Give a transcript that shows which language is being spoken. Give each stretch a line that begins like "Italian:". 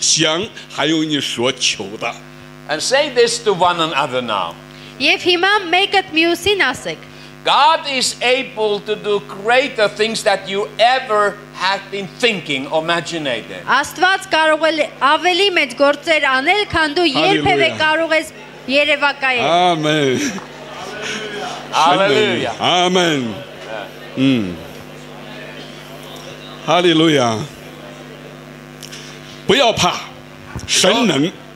Chinese: 所以你对你身边的神能超过你所想还有你所求的。
English: And say this to one another now.
Armenian: Եվ հիմա մեկդ մյուսին ասեք.
English: God is able to do greater things that you ever had been thinking or imagined.
Armenian: Աստված կարող է ավելի մեծ գործեր անել, քան դու երբևէ կարող ես երևակայել.
English: Amen. Hallelujah. Amen.
Chinese: Hallelujah. 不要怕, 神能。